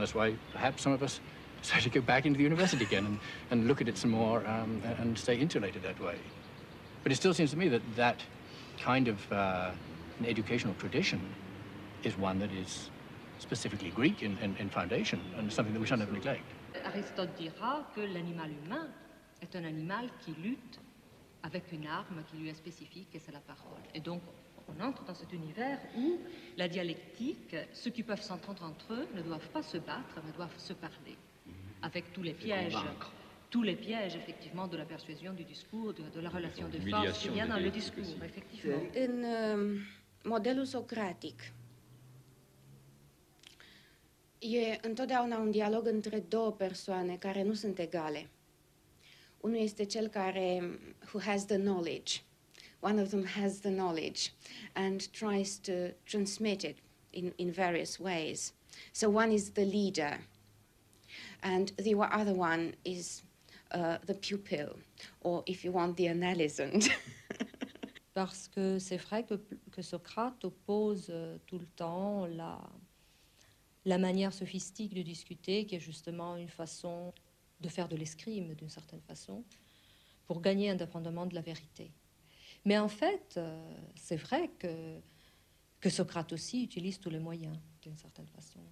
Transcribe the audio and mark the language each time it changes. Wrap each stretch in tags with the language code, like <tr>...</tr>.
<en>That's why perhaps some of us decide to go back into the university again and look at it some more and stay insulated that way. But it still seems to me that that kind of an educational tradition is one that is specifically Greek in foundation and something that we shouldn't neglect.</en> <fr>Aristote dira que l'animal humain est un animal qui lutte avec une arme qui lui est spécifique, et c'est la parole. Et donc, on entre dans cet univers où la dialectique, ceux qui peuvent s'entendre entre eux, ne doivent pas se battre, mais doivent se parler, avec tous les pièges. Tous les pièges, effectivement, de la persuasion, du discours, de la relation de force qu'il y a dans le discours, effectivement. Un modèle socratique.</fr> <ro>E întotdeauna un dialog între două persoane care nu sunt egale. Unul este cel care,</ro> <en>who has the knowledge, one of them has the knowledge and tries to transmit it in various ways. So one is the leader and the other one is the pupil, or if you want, the analyzant.</en> <fr>Parce que c'est vrai que Socrate oppose tout le temps la manière sophistique de discuter, qui est justement une façon de faire de l'escrime, d'une certaine façon, pour gagner indépendamment de la vérité. Mais en fait, c'est vrai que Socrate aussi utilise tous les moyens, d'une certaine façon.</fr>